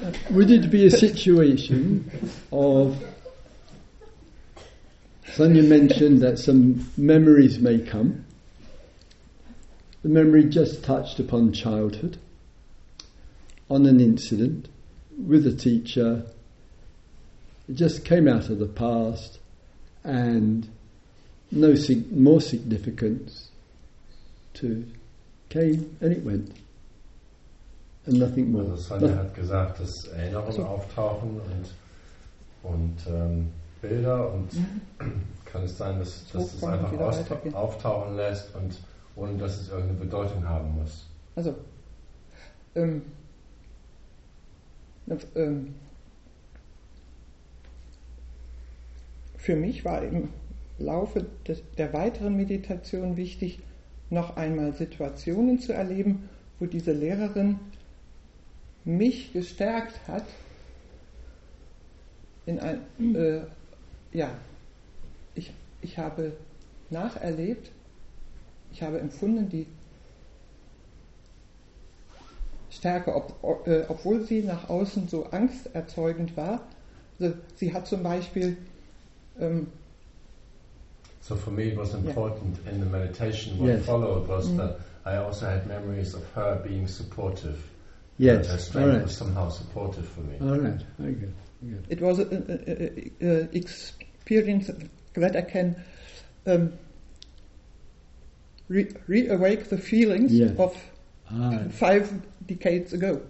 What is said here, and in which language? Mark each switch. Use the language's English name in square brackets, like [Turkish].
[English] Would it be a situation of, Sonia mentioned that some memories may come, the memory just touched upon childhood, on an incident with a teacher, it just came out of the past, and more significance to came and it went and nothing more. [German] Also Sonja hat gesagt, dass Erinnerungen auftauchen und Bilder und kann es sein, dass es einfach auftauchen lässt und ohne dass es irgendeine Bedeutung haben muss. Also für mich war im Laufe der weiteren Meditation wichtig, noch einmal Situationen zu erleben, wo diese Lehrerin mich gestärkt hat, ich habe nacherlebt, ich habe empfunden, die Stärke, obwohl sie nach außen so angsterzeugend war, also sie hat zum Beispiel [English] So for me it was important in the meditation followed was that I also had memories of her being supportive. Yes. That her strength was somehow supportive for me. All right, very good. Good. It was an experience that I can reawake the feelings of 5 decades ago.